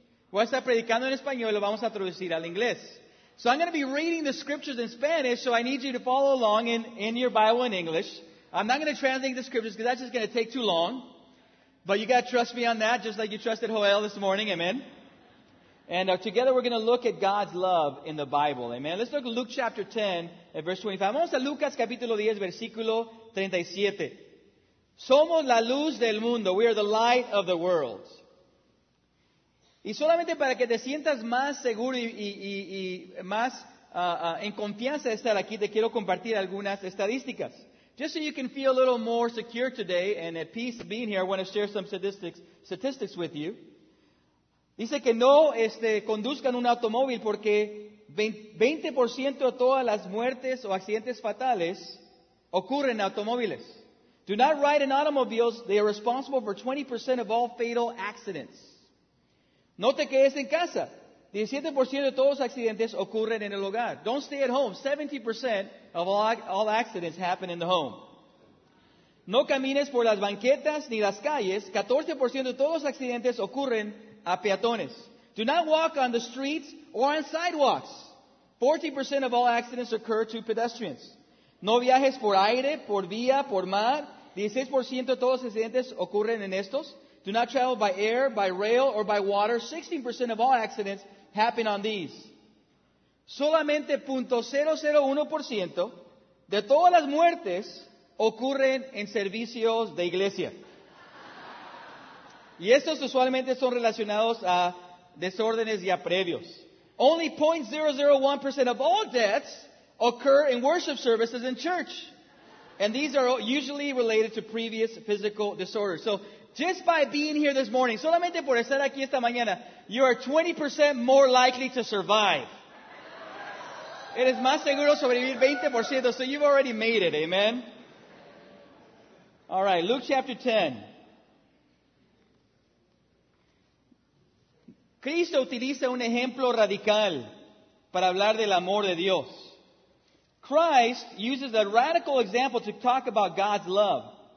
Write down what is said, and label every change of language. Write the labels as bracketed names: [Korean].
[Spanish] Voy a estar predicando en español y lo vamos a traducir al inglés. [English] So I'm going to be reading the scriptures in Spanish, so I need you to follow along in your Bible in English. I'm not going to translate the scriptures because that's just going to take too long. But you got to trust me on that, just like you trusted Joel this morning. Amen. And together we're going to look at God's love in the Bible. Amen. Let's look at Luke chapter 10 and verse 25. [Spanish] Vamos a Lucas capítulo 10, versículo 37. Somos la luz del mundo. [English] We are the light of the world. [Spanish] Y solamente para que te sientas más seguro y más en confianza de estar aquí, te quiero compartir algunas estadísticas. [English] Just so you can feel a little more secure today and at peace being here, I want to share some statistics with you. [Spanish] Dice que no conduzcan un automóvil porque 20% de todas las muertes o accidentes fatales ocurren en automóviles. [English] Do not ride in automobiles. They are responsible for 20% of all fatal accidents. [Spanish] No te quedes en casa. 17% de todos los accidentes ocurren en el hogar. [English] Don't stay at home. 70% of all accidents happen in the home. [Spanish] No camines por las banquetas ni las calles. 14% de todos los accidentes ocurren a peatones. [English] Do not walk on the streets or on sidewalks. 40% of all accidents occur to pedestrians. [Spanish] No viajes por aire, por vía, por mar. 16% de todos los accidentes ocurren en estos. [English] Do not travel by air, by rail, or by water. 16% of all accidents happen on these. [Spanish] Solamente 0.001% de todas las muertes ocurren en servicios de iglesia. Y estos usualmente son relacionados a desórdenes y a previos. [English] Only 0.001% of all deaths occur in worship services in church. And these are usually related to previous physical disorders. So, just by being here this morning, [Spanish] solamente por estar aquí esta mañana, [English] you are 20% more likely to survive. [Spanish] Eres más seguro sobrevivir 20%, [English] so you've already made it, amen? All right, Luke chapter 10. [Spanish] Cristo utiliza un ejemplo radical para hablar del amor de Dios. [English] Christ uses a radical example to talk about God's love.